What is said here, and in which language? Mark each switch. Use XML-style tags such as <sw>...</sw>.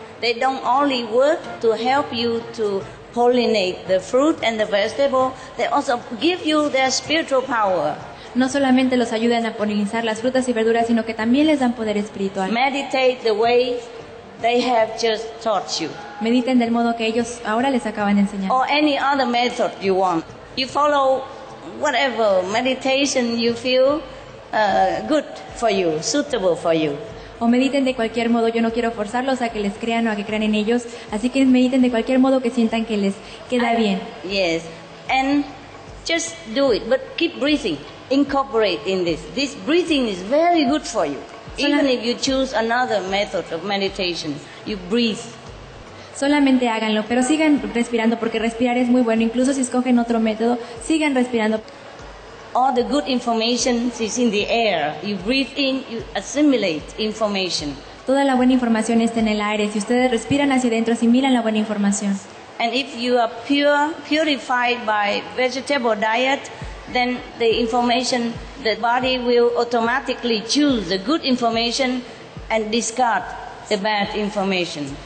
<en>They don't only work to help you to pollinate the fruit and the vegetable, they also give you their spiritual power.</en> <es>No solamente los ayudan a polinizar las frutas y verduras, sino que también les dan poder espiritual.</es> <en>Meditate the way they have just taught you.</en> <es>Mediten del modo que ellos ahora les acaban de enseñar.</es> <en>Or any other method you want. You follow whatever meditation you feel good for you, suitable for you.</en> <es>O mediten de cualquier modo, yo no quiero forzarlos a que les crean o a que crean en ellos, así que mediten de cualquier modo que sientan que les queda bien.</es> <en>Yes, and just do it, but keep breathing, incorporate in this. This breathing is very good for you, even if you choose another method of meditation, you breathe.</en> <es>Solamente háganlo, pero sigan respirando, porque respirar es muy bueno, incluso si escogen otro método, sigan respirando.</es> <en>All the good information is in the air. You breathe in, you assimilate information.</en> <es>Toda la buena información está en el aire. Si ustedes respiran hacia adentro, asimilan la buena información.</es> <en>And if you are purified by vegetable diet, then the information, the body will automatically choose the good information and discard the bad information.</en>